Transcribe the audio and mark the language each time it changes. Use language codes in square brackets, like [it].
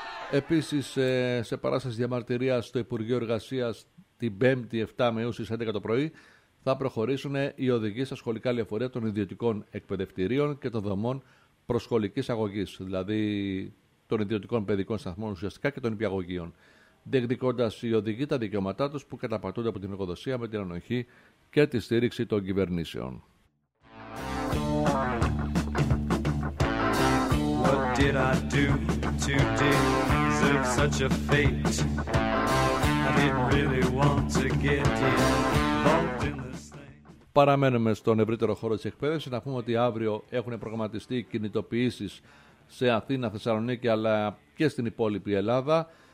[el] Επίσης, σε παράσταση διαμαρτυρίας στο Υπουργείο Εργασίας την 5η 7 Μαΐου στις 11 το πρωί θα προχωρήσουν οι οδηγοί στα σχολικά λεωφορεία των ιδιωτικών εκπαιδευτηρίων και των δομών προσχολικής αγωγής, δηλαδή των ιδιωτικών παιδικών σταθμών ουσιαστικά και των υπηαγωγείων, διεκδικώντας οι οδηγοί τα δικαιώματά τους που καταπατούνται από την εργοδοσία με την ανοχή και τη στήριξη των κυβερνήσεων. [en] Did I do to deserve such a fate? I didn't really want to get involved in this thing. [el] Παραμένουμε στον ευρύτερο χώρο της εκπαίδευσης. Να πούμε ότι αύριο έχουν προγραμματιστεί κινητοποιήσεις σε Αθήνα, Θεσσαλονίκη αλλά και στην υπόλοιπη Ελλάδα.